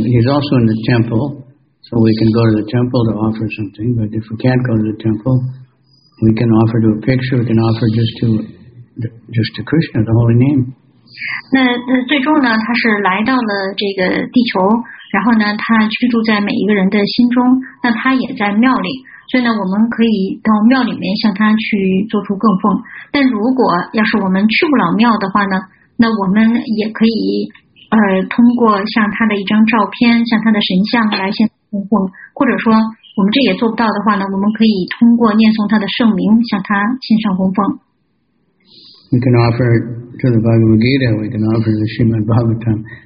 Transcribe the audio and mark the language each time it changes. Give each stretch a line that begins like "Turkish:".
English: He's also in the temple, so we can go to the temple to offer something. But if we can't go to the temple, we can offer to a picture, we can offer just to Krishna, the holy name.
Chinese: 那最终呢，他是来到了这个地球，然后呢，他居住在每一个人的心中，那他也在庙里。所以呢，我们可以到庙里面向他去做出供奉。但如果要是我们去不了庙的话呢，那我们也可以通过像他的一张照片，像他的神像来献供奉。或者说，我们这也做不到的话呢，我们可以通过念诵他的圣名向他献上供奉。
English: We can offer to the Bhagavad Gita, we can offer the Srimad Bhagavatam.